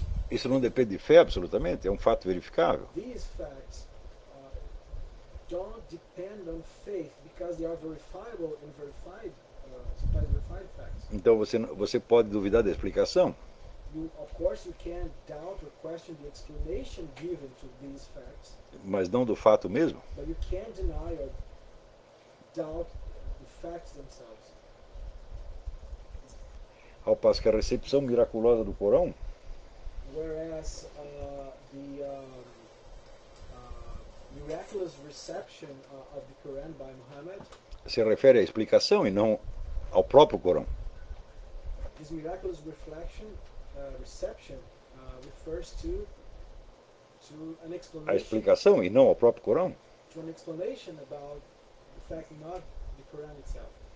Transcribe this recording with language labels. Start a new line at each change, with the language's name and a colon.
Portuguese: Isso não depende de fé absolutamente, é um fato verificável.
English: These facts don't depend on faith because they are verifiable and verified, verified facts.
Portuguese: Então você pode duvidar da explicação?
English: You, of course you can doubt or question the explanation given to these facts.
Portuguese: Mas não do fato mesmo?
English: But you can't deny or doubt the facts themselves.
Portuguese: Ao passo que a recepção miraculosa do Corão,
English: whereas the miraculous reception of the Quran by Muhammad,
Portuguese: se refere à explicação e não ao próprio Corão.
English: This miraculous reflection reception refers to an explanation.
Portuguese: A explicação e não ao próprio Corão.
English: To an explanation about the fact, not the Quran itself.